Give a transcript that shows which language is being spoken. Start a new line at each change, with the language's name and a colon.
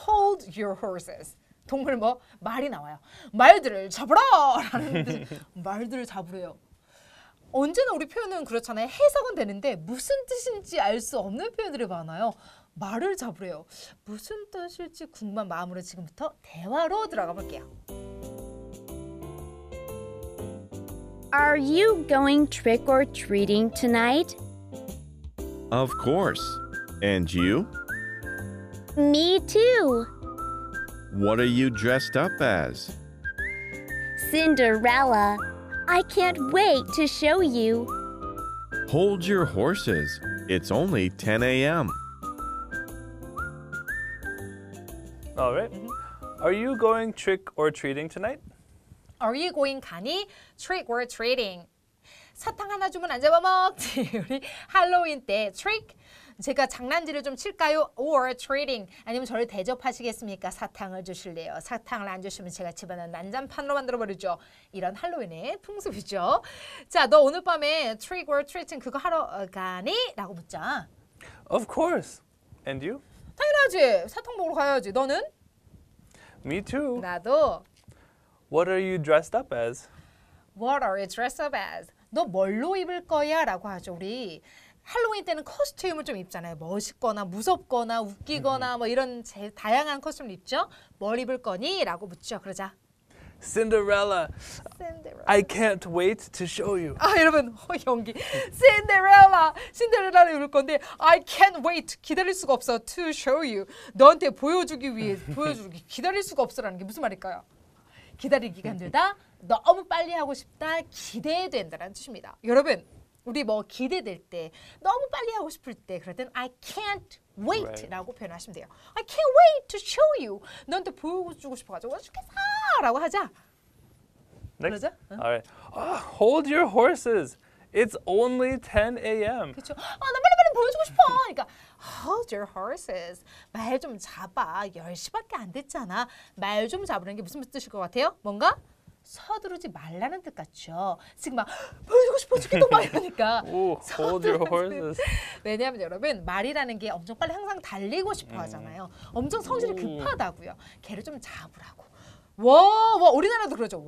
Korean: Hold your horses. 동물 뭐? 말이 나와요. 말들을 잡으라! 라는 뜻. 말들을 잡으래요. 언제나 우리 표현은 그렇잖아요. 해석은 되는데 무슨 뜻인지 알 수 없는 표현들이 많아요. 말을 잡으래요. 무슨 뜻일지 궁금한 마음으로 지금부터 대화로 들어가 볼게요.
English: Are you going trick or treating tonight? Of course. And you? Me too. What are you dressed up as? Cinderella. I can't wait to show you. Hold your horses. It's only 10 a.m. All right. Are you going trick or treating tonight? Are you going 가니? Trick or treating.
Korean: 사탕 하나 주면 안 잡아먹지. 우리 할로윈 때 trick, 제가 장난질을 좀 칠까요? Or treating, 아니면 저를 대접하시겠습니까? 사탕을 주실래요? 사탕을 안 주시면 제가 집안을 난장판으로 만들어버리죠. 이런 할로윈의 풍습이죠. 자, 너 오늘 밤에 trick or treating 그거 하러 가니? 라고 묻자.
English: Of course. And you?
Korean: 당연하지. 사탕 먹으러 가야지. 너는?
English: Me too.
Korean: 나도.
English: What are you dressed up as?
Korean: What are you dressed up as? 너 뭘로 입을 거야? 라고 하죠. 우리 할로윈 때는 코스튬을 좀 입잖아요. 멋있거나 무섭거나 웃기거나 뭐 이런 다양한 코스튬을 입죠. 뭘 입을 거니? 라고 묻죠. 그러자
English: Cinderella. Cinderella. I can't wait to show you.
Korean: 아, 여러분, 연기. Cinderella. Cinderella를 입을 건데 I can't wait. 기다릴 수가 없어. To show you. 너한테 보여주기 위해 보여주기. 기다릴 수가 없어라는 게 무슨 말일까요? 기다리기가 힘들다. 너무 빨리 하고 싶다. 기대된다라는 뜻입니다. 여러분, 우리 뭐 기대될 때 너무 빨리 하고 싶을 때 그럴 땐 I can't wait 라고 표현하시면 돼요.
English: I can't wait to show you.
Korean: 너한테 보여주고 싶어가지고 죽겠어 라고 하자.
English: Next. 그러자. Alright. Oh, hold your horses. It's only 10 a.m. 그렇죠. 아, 나 빨리 빨리 보여주고 싶어. 그러니까 hold your horses.
Korean: 말 좀 잡아. 10시밖에 안 됐잖아. 말 좀 잡으라는 게 무슨 뜻일 것 같아요? 뭔가? 서두르지 말라는 뜻 같죠. 지금 막 보여주고 싶어 죽겠다 막 이러니까.
English: Hold your horses.
Korean: 왜냐하면 여러분 말이라는 게 엄청 빨리 항상 달리고 싶어 하잖아요. 엄청 성질이 급하다고요. 걔를 좀 잡으라고. 워워 우리나라도 그러죠.